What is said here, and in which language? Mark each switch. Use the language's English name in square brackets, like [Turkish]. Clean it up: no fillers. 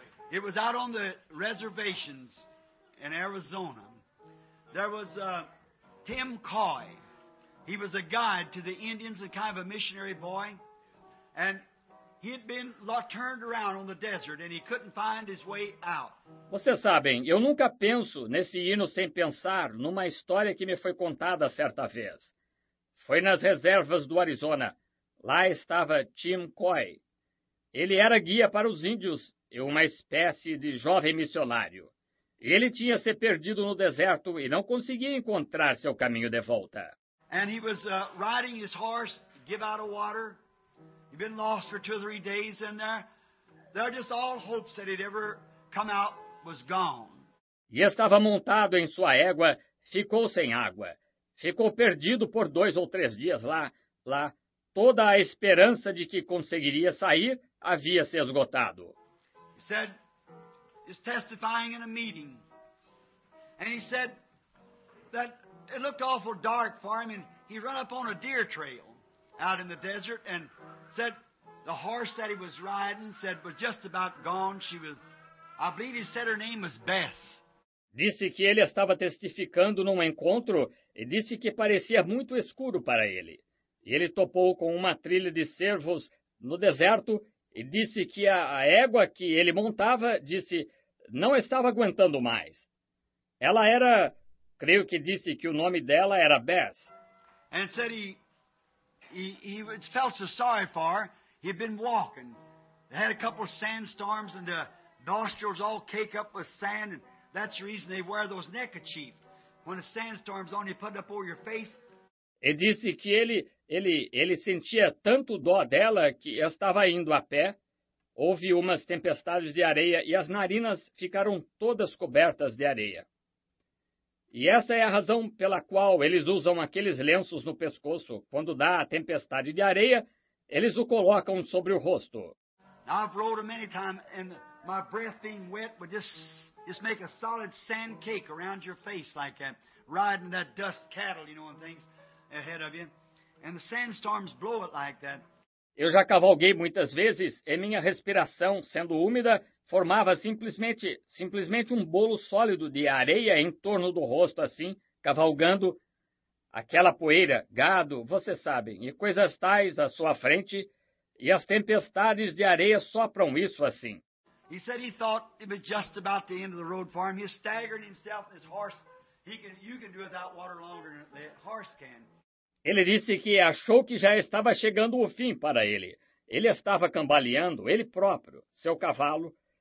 [English] It was out on the reservations in Arizona. There was Tim Coy. He was a guide to the Indians, a kind of a missionary boy. And he had been turned around on the desert and he couldn't find his way out. [Portuguese] Vocês sabem, eu nunca penso nesse hino sem pensar numa história que me foi contada certa vez. Foi nas reservas do Arizona. Lá estava Tim Coy. Ele era guia para os índios e uma espécie de jovem missionário. Ele tinha se perdido no deserto e não conseguia encontrar seu caminho de volta. [English] And he was riding his horse to give out of water. He'd been lost for two or three days in there. There just all hopes that he'd ever come out was gone. [Portuguese] E estava montado em sua égua, ficou sem água. Ficou perdido por dois ou três dias lá. Toda a esperança de que conseguiria sair havia se esgotado. [English] He said, he's testifying in a meeting. And he said that it looked awful dark for him, and he ran up on a deer trail out in the desert and said the horse that he was riding said was just about gone. She was, I believe he said her name was Bess. [Portuguese] Disse que ele estava testificando num encontro e disse que parecia muito escuro para ele. E ele topou com uma trilha de cervos no deserto e disse que a égua que ele montava, disse, não estava aguentando mais. Ela era, creio que disse que o nome dela era Bess. [English] And said he felt so sorry for her. He'd been walking. They had a couple of sandstorms and the nostrils all caked up with sand. And that's the reason they wear those neckerchiefs. When a sandstorm's on, you put it up over your face. [Portuguese] E disse que ele sentia tanto dó dela que estava indo a pé. Houve umas tempestades de areia e as narinas ficaram todas cobertas de areia. E essa é a razão pela qual eles usam aqueles lenços no pescoço. Quando dá a tempestade de areia, eles o colocam sobre o rosto. [English] I've rolled many times and my breath being wet would just make a solid sand cake around your face like that, riding that dust cattle, you know, and things ahead of you. And the sandstorms blow it like that. [Portuguese] Eu já cavalguei muitas vezes e minha respiração, sendo úmida, formava simplesmente um bolo sólido de areia em torno do rosto, assim, cavalgando aquela poeira, gado, vocês sabem, e coisas tais à sua frente, e as tempestades de areia sopram isso assim. [English] He said he thought it was just about the end of the road for him. He staggered himself and his horse. You can do without water longer than the horse can. [Portuguese] Ele disse que achou que já estava chegando o fim para ele. Ele estava cambaleando, ele próprio, seu cavalo.